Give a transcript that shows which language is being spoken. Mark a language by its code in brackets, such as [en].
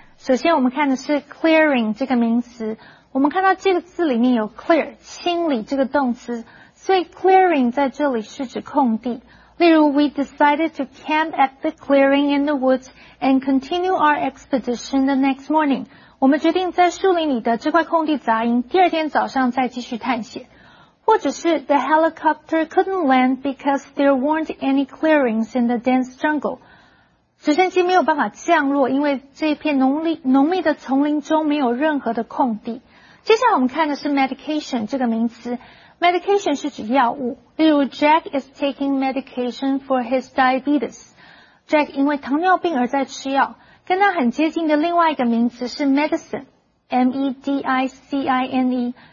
[zh] 首先我们看的是 clearing 这个名词，我们看到这个字里面有 clear 清理这个动词，所以 clearing 在这里是指空地。例如 [en] ,we decided to camp at the clearing in the woods and continue our expedition the next morning. [zh] 我们决定在树林里的这块空地扎营，第二天早上再继续探险。或者是 [en] ,the helicopter couldn't land because there weren't any clearings in the dense jungle. [zh] 直升机没有办法降落，因为这片浓密的丛林中没有任何的空地。接下来我们看的是 medication 这个名词。Medication 是指药物，例如 [en] Jack is taking medication for his diabetes. [zh] Jack 因为糖尿病而在吃药。跟它很接近的另外一个名词是 medicine, M-E-D-I-C-I-N-E.